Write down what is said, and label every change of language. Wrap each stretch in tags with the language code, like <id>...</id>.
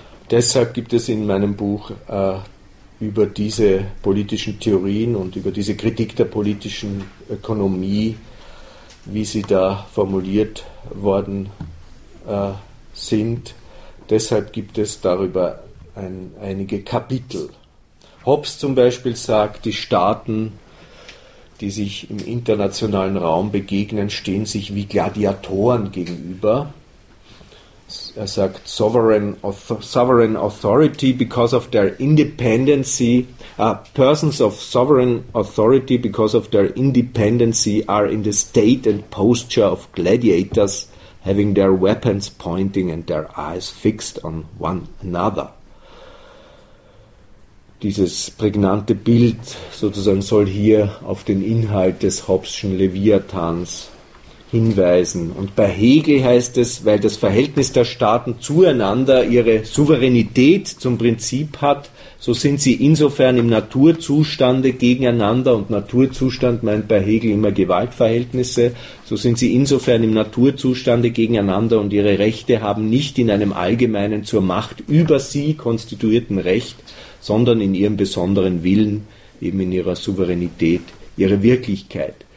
<de>Deshalb gibt es in meinem Buch über diese politischen Theorien und über diese Kritik der politischen Ökonomie, wie sie da formuliert worden sind, deshalb gibt es darüber einige Kapitel. Hobbes zum Beispiel sagt, die Staaten, die sich im internationalen Raum begegnen, stehen sich wie Gladiatoren gegenüber. Er sagt,</de> <en>sovereign authority because of their independency, persons of sovereign authority because of their independency are in the state and posture of gladiators, having their weapons pointing and their eyes fixed on one another.</en> <de>Dieses prägnante Bild sozusagen soll hier auf den Inhalt des Hobbeschen Leviathans hinweisen. Und bei Hegel heißt es, weil das Verhältnis der Staaten zueinander ihre Souveränität zum Prinzip hat, so sind sie insofern im Naturzustande gegeneinander, und Naturzustand meint bei Hegel immer Gewaltverhältnisse, so sind sie insofern im Naturzustande gegeneinander, und ihre Rechte haben nicht in einem allgemeinen zur Macht über sie konstituierten Recht, sondern in ihrem besonderen Willen, eben in ihrer Souveränität, ihre Wirklichkeit.</de>